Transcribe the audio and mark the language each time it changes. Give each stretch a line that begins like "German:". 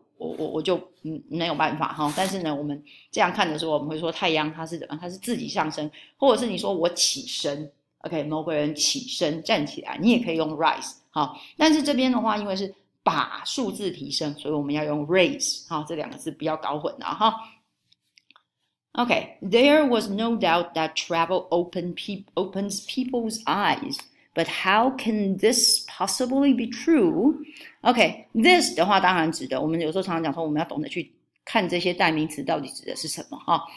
Chinese: 我就没有办法哈，但是呢，我们这样看的时候，我们会说太阳它是怎么样，它是自己上升，或者是你说我起身 ，OK， 某个人起身站起来，你也可以用 rise 哈。但是这边的话，因为是把数字提升，所以我们要用 raise 哈，这两个字不要搞混了哈。
English: OK，there was no doubt that travel opens people's eyes。 But how can this possibly be true?
Chinese: Okay, this 的话当然指的，我们有时候常常讲说我们要懂得去看这些代名词到底指的是什么哈。